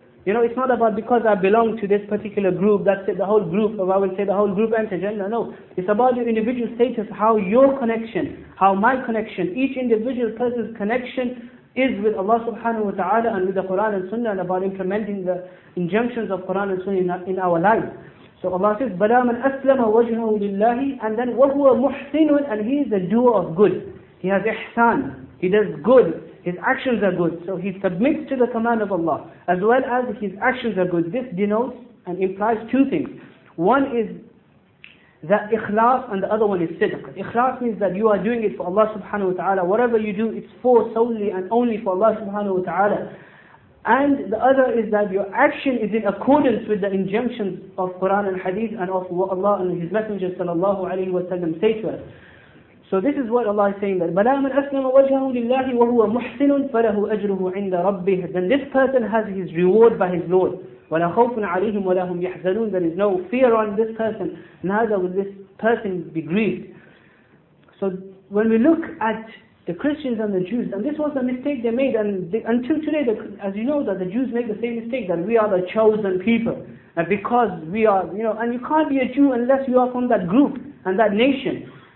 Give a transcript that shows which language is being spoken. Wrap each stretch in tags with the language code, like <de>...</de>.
<en>You know, it's not about because I belong to this particular group, that's it, the whole group, or I will say the whole group enter Jannah. No, it's about your individual status, how your connection, how my connection, each individual person's connection is with Allah subhanahu wa ta'ala and with the Quran and Sunnah, and about implementing the injunctions of Quran and Sunnah in our lives. So Allah says,</en> <ar>بَلَى مَنْ أَسْلَمَ وَجْهَهُ لِلَّهِ.</ar> <en>And then,</en> <ar>وَهُوَ مُحْسِنٌ.</ar> <en>And he is a doer of good. He has ihsan. He does good. His actions are good. So he submits to the command of Allah. As well as his actions are good. This denotes and implies two things. One is the ikhlas and the other one is sidq. Ikhlas means that you are doing it for Allah subhanahu wa ta'ala. Whatever you do, it's for solely and only for Allah subhanahu wa ta'ala. And the other is that your action is in accordance with the injunctions of Quran and Hadith and of what Allah and His Messenger sallallahu alaihi wasallam say to us. So this is what Allah is saying, that</en> <ar>بَلَا مَنْ أَسْلَمَ وَجْهَهُ لِلَّهِ وَهُوَ مُحْسِنٌ فَلَهُ أَجْرُهُ عِنْدَ رَبِّهِ.</ar> <en>Then this person has his reward by his Lord.</en> <ar>وَلَا خَوْفٌ عَلَيْهِمْ وَلَا هُمْ يَحْزَنُونَ.</ar> <en>There is no fear on this person. Neither will this person be grieved. So when we look at the Christians and the Jews, and this was the mistake they made, and until today, as you know, that the Jews make the same mistake, that we are the chosen people, and because we are, you know, and you can't be a Jew unless you are from that group and that nation.</en>